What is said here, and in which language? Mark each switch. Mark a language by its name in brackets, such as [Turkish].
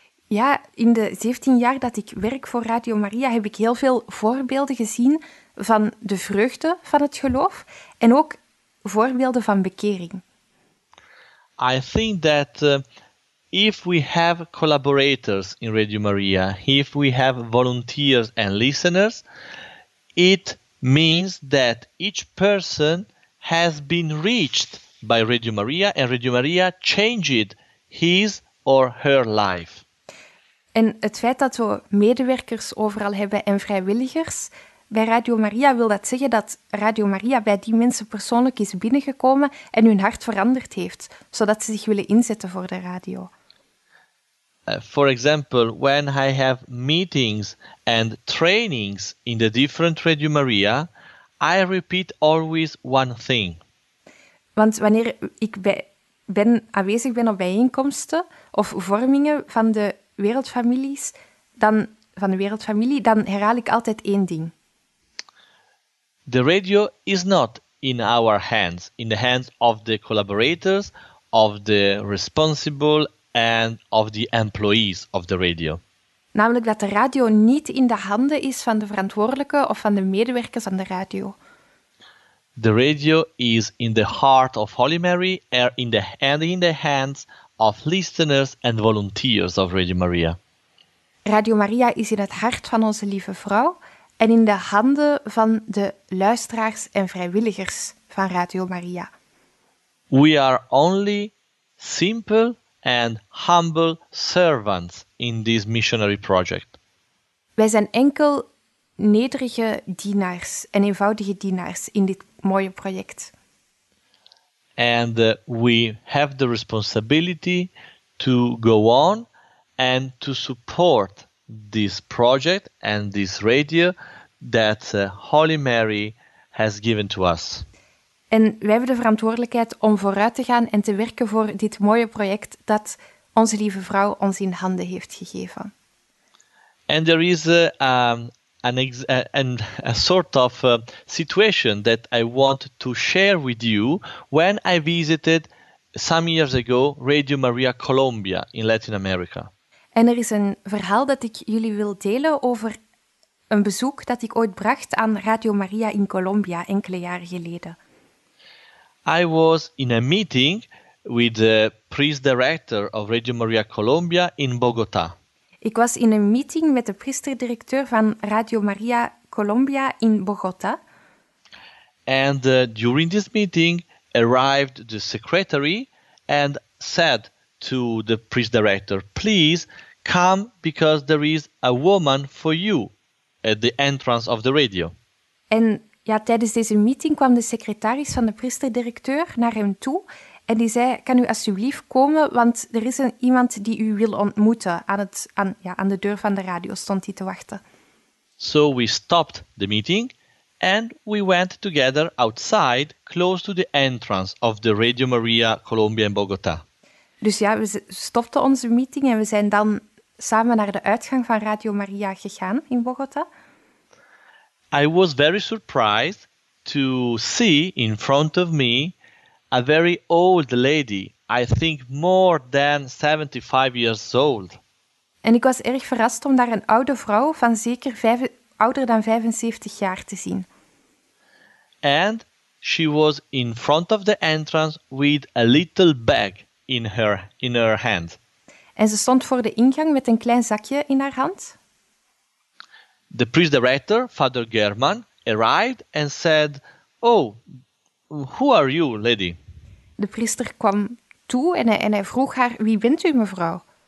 [Dutch] Ja, in de 17 jaar dat ik werk voor Radio Maria heb ik heel veel voorbeelden gezien van de vreugde van het geloof en ook voorbeelden van bekering. [English] I think that if we have collaborators in Radio Maria, if we have volunteers and listeners, it means that each person has been reached by Radio Maria and Radio Maria changed his or her life. [Dutch] En het feit dat we medewerkers overal hebben en vrijwilligers bij Radio Maria, wil dat zeggen dat Radio Maria bij die mensen persoonlijk is binnengekomen en hun hart veranderd heeft, zodat ze zich willen inzetten voor de radio. [English] For example, when I have meetings and trainings in the different Radio Maria, I repeat always one thing. [Dutch] Want wanneer ik aanwezig ben op bijeenkomsten of vormingen van de wereldfamilies, dan herhaal ik altijd één ding. [English] The radio is not in our hands, in the hands of the collaborators, of the responsible and of the employees of the radio. [Dutch] Namelijk dat de radio niet in de handen is van de verantwoordelijke of van de medewerkers aan de radio. [English] The radio is in the heart of Holy Mary and in the hands of listeners and volunteers of Radio Maria. [Dutch] Radio Maria is in het hart van onze lieve vrouw en in de handen van de luisteraars en vrijwilligers van Radio Maria. [English] We are only simple and humble servants in this missionary project. [Dutch] Wij zijn enkel nederige dienaars en eenvoudige dienaars in dit mooie project. [English] And we have the responsibility to go on and to support this project and this radio that Holy Mary has given to us. [Dutch] En wij hebben de verantwoordelijkheid om vooruit te gaan en te werken voor dit mooie project dat onze lieve vrouw ons in handen heeft gegeven. [English] And there is a sort of situation that I want to share with you when I visited some years ago Radio Maria Colombia in Latin America. [Dutch] En er is een verhaal dat ik jullie wil delen over een bezoek dat ik ooit bracht aan Radio Maria in Colombia enkele jaren geleden. [English] I was in a meeting with the priest director of Radio Maria Colombia in Bogota. [Dutch] Ik was in een meeting met de priesterdirecteur van Radio Maria Colombia in Bogota. [English] And during this meeting arrived the secretary and said to the priest director, please come because there is a woman for you at the entrance of the radio. [Dutch] En ja, tijdens deze meeting kwam de secretaris van de priesterdirecteur naar hem toe. En die zei, kan u alsjeblieft komen, want er is iemand die u wil ontmoeten. Aan de deur van de radio stond hij te wachten. [English] So we stopped the meeting and we went together outside, close to the entrance of the Radio Maria Colombia in Bogota. [Dutch] Dus ja, we stopten onze meeting en we zijn dan samen naar de uitgang van Radio Maria gegaan in Bogota. [English] I was very surprised to see in front of me a very old lady, I think more than 75 years old. [Dutch] En ik was erg verrast om daar een oude vrouw van zeker ouder dan 75 jaar te zien. [English] And she was in front of the entrance with a little bag in her hand. [Dutch] En ze stond voor de ingang met een klein zakje in haar hand. [English] The priest director, Father German, arrived and said, "Oh, who are you, lady?" [Dutch] De priester kwam toe en hij vroeg haar, "Wie bent u, mevrouw?"